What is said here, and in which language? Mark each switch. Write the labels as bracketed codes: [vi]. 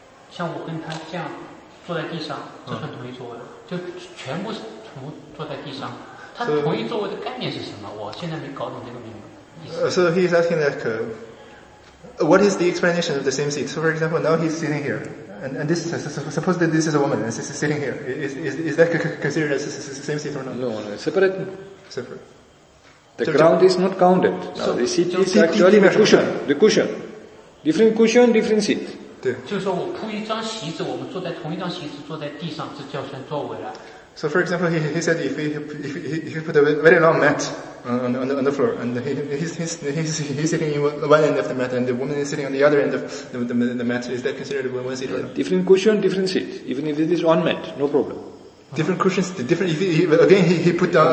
[zh] 像我跟他这样坐在地上，这算同一座位了，就全部是同坐在地上。他同一座位的概念是什么？我现在没搞懂这个名字。 [en] So he is asking that, what is the explanation of the same seat? So for example, now he's sitting here. And this, suppose that this is a woman and she's sitting here. Is that considered as the same seat or not? No, separate. Separate. The ground is not counted. So the seat is actually the cushion. The cushion. Different cushion, different seat. [zh] 对，就是说我铺一张席子，我们坐在同一张席子，坐在地上，这叫算座位了。 [en] So for example, he said if he put a very long mat on the floor, and he's sitting in one end of the mat, and the woman is sitting on the other end of the mat, is that considered one seat or not? Different cushion, different seat. Even if it is one mat, no problem. Different cushions, different. He put down